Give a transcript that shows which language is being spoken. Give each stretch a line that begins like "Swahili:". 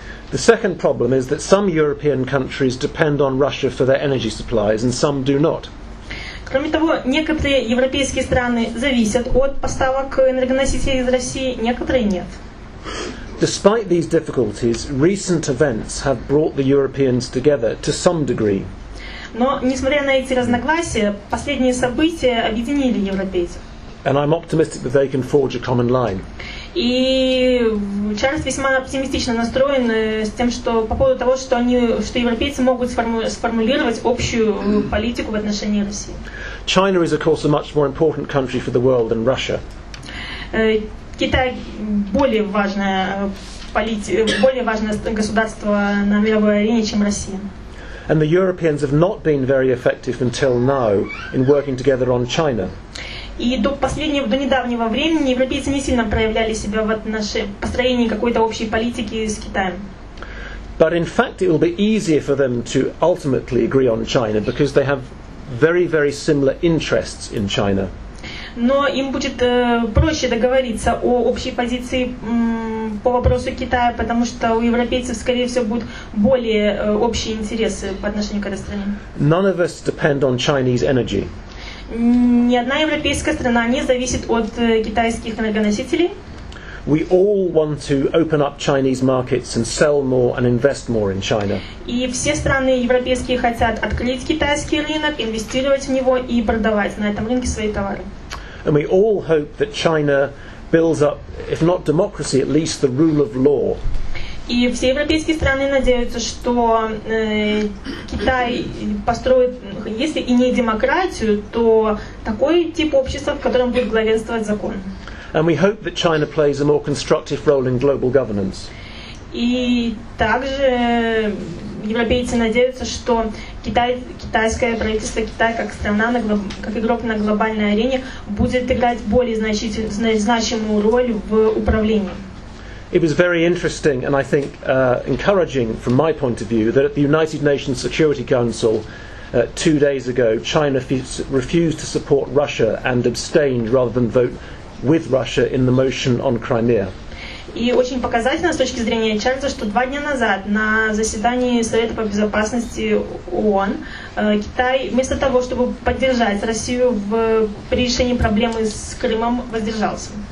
English: The second problem is that some European countries depend on Russia for their energy supplies and some do not.
Russian: Кроме того, некоторые европейские страны зависят от поставок энергоносителей из России, некоторые нет.
English: Despite these difficulties, recent events have brought the Europeans together to some degree.
Russian: Но несмотря на эти разногласия, последние события объединили европейцев.
English: And I'm optimistic that they can forge a common line.
Russian: И Чарльз весьма оптимистично настроен с тем, что по поводу того, что они, что европейцы могут сформулировать общую политику в отношении России.
English: China is, of course, a much more important country for the world than Russia.
Russian: Китай более важное государство на мировой арене, чем Россия.
English: And the Europeans have not been very effective until now in working together on China.
Russian: И до недавнего времени европейцы не сильно проявляли себя в построении какой-то общей политики с Китаем.
English: But in fact it will be easier for them to ultimately agree on China because they have very, very similar interests in China.
Russian: Но им будет проще договориться о общей позиции по вопросу Китая, потому что у европейцев, скорее всего, будут более общие интересы по отношению к этой стране.
English: None of us depend on Chinese energy.
Russian: Ни одна европейская страна не зависит от китайских энергоносителей.
English: We all want to open up Chinese markets and sell more and invest more in China.
Russian: И все страны европейские хотят открыть китайский рынок, инвестировать в него и продавать на этом рынке свои товары.
English: And we all hope that China builds up, if not democracy, at least the rule of law.
Russian: И все европейские страны надеются, что Китай построит, если и не демократию, то такой тип общества, в котором будет главенствовать закон.
English: And we hope that China plays a more constructive role in global governance.
Russian: И также европейцы надеются, что китайское правительство, Китай как страна, как игрок на глобальной арене, будет играть более значимую роль в управлении.
English: It was very interesting and I think encouraging from my point of view that at the United Nations Security Council 2 days ago, China refused to support Russia and abstained rather than vote with Russia in the motion on Crimea.
Russian: И очень показательно с точки зрения Чарльза, что 2 дня назад на заседании Совета по безопасности ООН Китай, вместо того, чтобы поддержать Россию при решении проблемы с Крымом, воздержался.